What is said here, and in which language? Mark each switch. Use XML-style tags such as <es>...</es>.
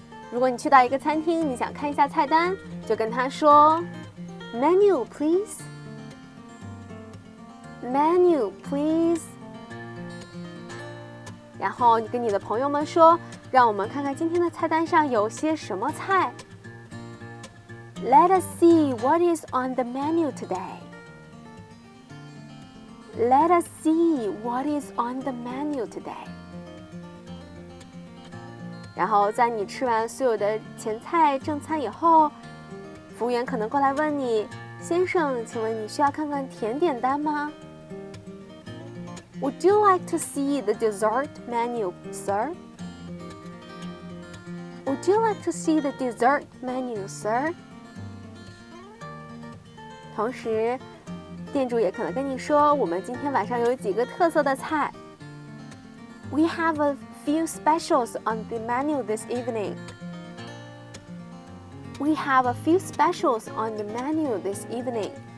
<zh>如果你去到一个餐厅，你想看一下菜单，就跟他说</zh> <en>Menu please， Menu please。</en> <zh>然后你跟你的朋友们说，让我们看看今天的菜单上有些什么菜。</zh> <en>Let us see what is on the menu todayLet us see what is on the menu today.</en> <zh>然后在你吃完所有的前菜正餐以后，服务员可能过来问你，先生，请问你需要看看甜点单吗？</zh> <en>Would you like to see the dessert menu, sir? Would you like to see the dessert menu, sir?</en> <zh>同时店主也可能跟你说，我们今天晚上有几个特色的菜。</zh> <en>We have a few specials on the menu this evening. We have a few specials on the menu this evening.</en>